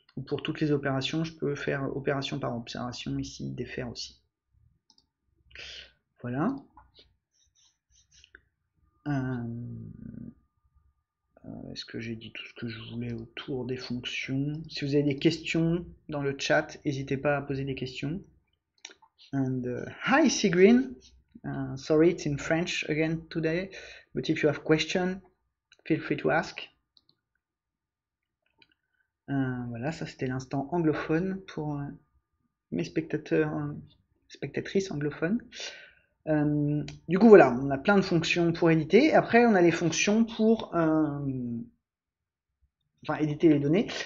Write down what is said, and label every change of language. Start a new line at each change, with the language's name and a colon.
French: Ou pour toutes les opérations, je peux faire opération par opération ici, défaire aussi. Voilà. Est-ce que j'ai dit tout ce que je voulais autour des fonctions? Si vous avez des questions dans le chat, n'hésitez pas à poser des questions.
English: Hi, Sigrin. Sorry, it's in French again today. But if you have questions, feel free to ask.
French: Voilà, ça c'était l'instant anglophone pour mes spectateurs, spectatrices anglophones. Du coup voilà, on a plein de fonctions pour éditer. Après, on a les fonctions pour enfin, éditer les données.